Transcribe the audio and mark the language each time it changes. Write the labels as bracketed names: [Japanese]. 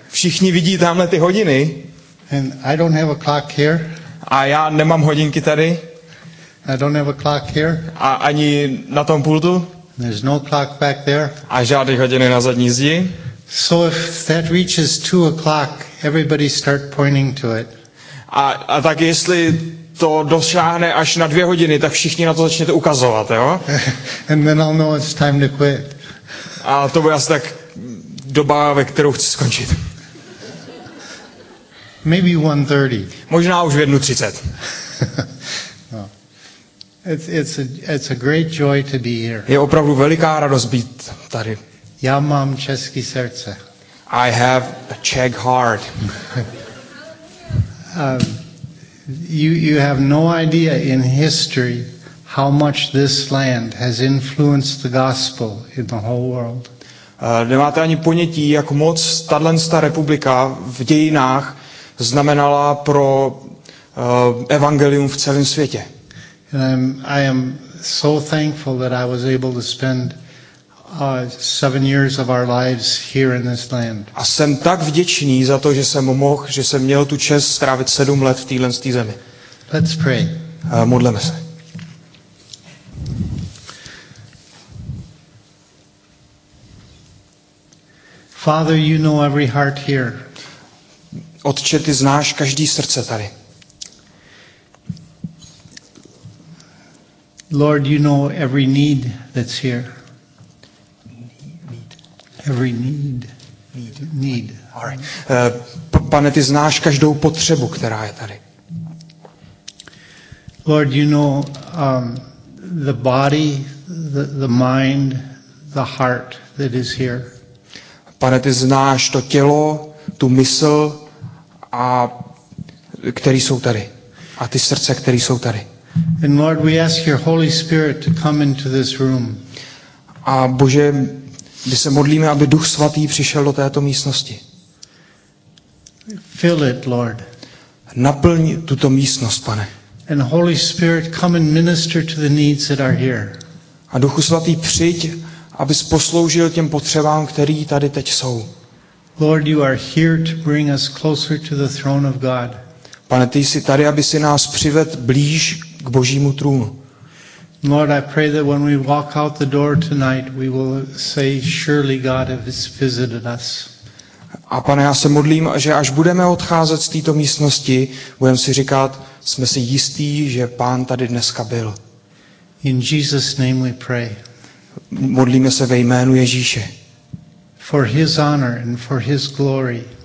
[Czech] Všichni vidí tamhle ty hodiny. [English] And I don't have a clock here. [Czech] A já nemám hodinky tady. [English] I don't have a clock here. [Czech] A ani na tom pultu. [English] There's no clock back there. [Czech] A žádný hodiny na zadní zdi. [English] So if that reaches 2 o'clock, everybody start pointing to it. [Czech] A tak jestli to dosáhne až na 2 hodiny, tak všichni na to začnete ukazovat, jo? [English] And then I'll know it's time to quit. [Czech] A to bude asi tak doba, ve kterou chci skončit. [English] Maybe 1:30. [Czech] Možná už v 1:30. No. [English] It's a great joy to be here. [Czech] Je opravdu veliká radost být tady. Já mám české srdce. [English] I have a Czech heart. You have no idea in history how much this land has influenced the gospel in the whole world. [Czech] Nemáte ani ponětí, jak moc tato republika v dějinách znamenala pro evangelium v celém světě. [English] I am so thankful that I was able to spend 7 years of our lives here in this land. [Czech] A jsem tak vděčný za to, že jsem mohl, že jsem měl tu čest strávit 7 let v téhle zemi. [English] Let's pray. [Czech] Modleme se. [English] Father, you know every heart here. [Czech] Otče, ty znáš každý srdce tady. [English] Lord, you know every need that's here. Every need. All right. [Czech] Pane, ty znáš každou potřebu, která je tady. [English] Lord, you know the body, the mind, the heart that is here. [Czech] Pane, ty znáš to tělo, tu mysl, a který jsou tady. A ty srdce, které jsou tady. [English] And Lord, we ask your Holy Spirit to come into this room. [Czech] A Bože, my se modlíme, aby Duch Svatý přišel do této místnosti. [English] Fill it, Lord. [Czech] Naplň tuto místnost, Pane. [English] And Holy Spirit, come and minister to the needs that are here. [Czech] A Duchu Svatý, přijď, abys posloužil těm potřebám, které tady teď jsou. [English] Lord, you are here to bring us closer to the throne of God. [Czech] Pane, ty jsi tady, aby si nás přived blíž k Božímu trůnu. [English] Lord, I pray that when we walk out the door tonight, we will say, surely God has visited us. [Czech] A Pane, já se modlím, že až budeme odcházet z této místnosti, budeme si říkat, jsme si jistí, že Pán tady dneska byl. [English] In Jesus' name we pray. [Czech] Modlíme se ve jménu Ježíše. [English] For his honor and for his glory.